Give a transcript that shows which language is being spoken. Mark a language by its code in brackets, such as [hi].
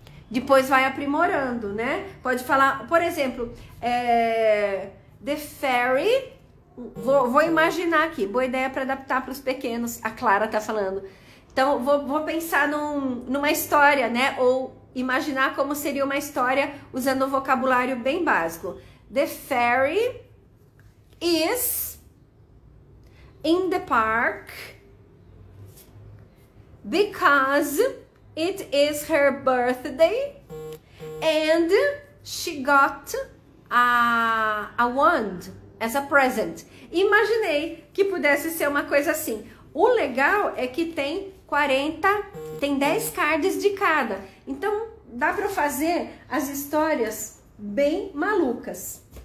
[pt] Depois vai aprimorando, né? Pode falar, por exemplo, The Fairy... Vou imaginar aqui, boa ideia para adaptar para os pequenos. A Clara tá falando... Então, vou pensar numa história, né? Ou imaginar como seria uma história usando um vocabulário bem básico. [en] The fairy is in the park because it is her birthday and she got a wand as a present. [pt] Imaginei que pudesse ser uma coisa assim. O legal é que tem 40, tem 10 cards de cada. Então, dá para fazer as histórias bem malucas.